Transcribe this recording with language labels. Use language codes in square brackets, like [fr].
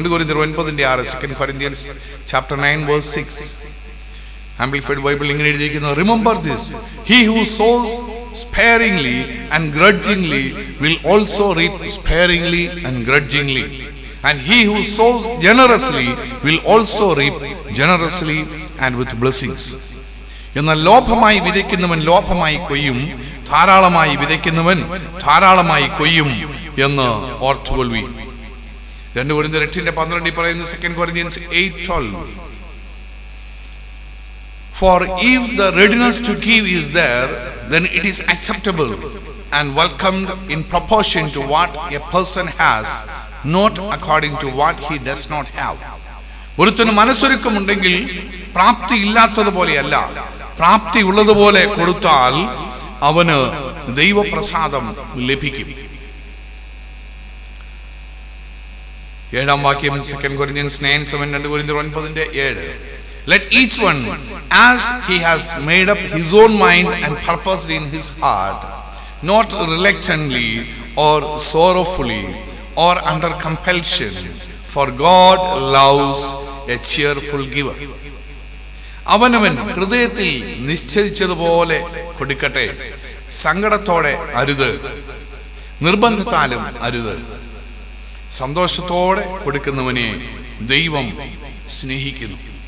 [ml] 2 കൊരിന്ത്യർ 9:6, 2 കൊരിന്ത്യർ 9:6 amplified Bible ഇങ്ങനെ എഴുതിയിരിക്കുന്നു, [en] Remember this, he who sows sparingly and grudgingly will also reap sparingly and grudgingly and he who sows generously will also reap generously and with blessings. [ml] എന്നാൽ ലോഭമായി വിതയ്ക്കുന്നവൻ ലോഭമായി കൊയ്യും, ധാരാളമായി വിതയ്ക്കുന്നവൻ ധാരാളമായി കൊയ്യും എന്ന് ഓർത്തുകൊള്ളി. 2 കൊരിന്ത്യർ 8:12 പറയുന്നു, 2 കൊരിന്ത്യർ 8:12, [en] For if the readiness to give is there, then it is acceptable and welcomed in proportion to what a person has, not according to what he does not have. [ml] ഒരുത്തിന് മനസ്സൊരുക്കം ഉണ്ടെങ്കിൽ പ്രാപ്തി ഇല്ലാത്തതുപോലെയല്ല, പ്രാപ്തി ഉള്ളതുപോലെ കൊടുത്താൽ അവന് ദൈവപ്രസാദം ലഭിക്കും. 7-ാം വാക്യം, 2 കൊരിന്ത്യർ 9:7. [en] Let each one, as he has made up his own mind and purposed in his heart, not reluctantly or sorrowfully or under compulsion, for God loves a cheerful giver. [ml] അവനവൻ ഹൃദയത്തിൽ നിശ്ചയിച്ചതുപോലെ കൊടുക്കട്ടെ, സങ്കടത്തോടെ അരുത്, നിർബന്ധത്താലും അരുത്, സന്തോഷത്തോടെ കൊടുക്കുന്നവനെ ദൈവം സ്നേഹിക്കുന്നു.